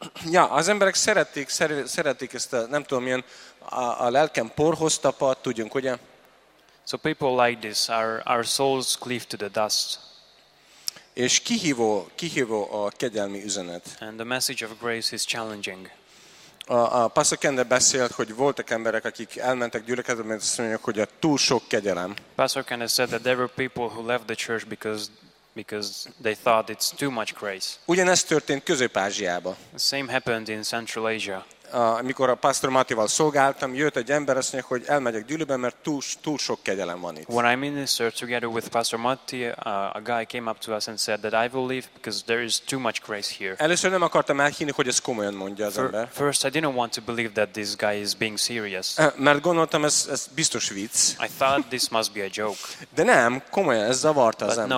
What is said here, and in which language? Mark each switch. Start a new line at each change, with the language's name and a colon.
Hungarian: Ja, az emberek szeretik ezt a, nem tudom, ilyen a lelkem porhoz tapad, tudjunk, ugye?
English: So people like this, our souls cleave to the dust.
Hungarian: És kihívó a kegyelmi üzenet.
English: And the message of grace is challenging.
Hungarian: A Pastor Kende beszélt, hogy voltak emberek, akik elmentek gyülekezetbe, mert azt mondják, hogy a túl sok kegyelem.
English: Pastor Kende said that there were people who left the church because they thought it's too much grace.
Hungarian: Ugyanez történt Közép-Ázsiában.
English: The same happened in Central Asia.
Hungarian: Amikor a Pastor Mattival szolgáltam, jött egy ember, azt mondja, hogy elmegyek gyűlőbe, mert túl sok kegyelem van itt.
English: When I ministered together with Pastor Matti, a guy came up to us and said that I will leave because there is too much grace here.
Hungarian: Először nem akartam elhinni, hogy ezt komolyan mondja az ember.
English: First I didn't want to believe that this guy is being serious.
Hungarian: Mert gondoltam, ez biztos vicc.
English: I thought this must be a joke.
Hungarian: De nem, komolyan, ez zavarta az ember.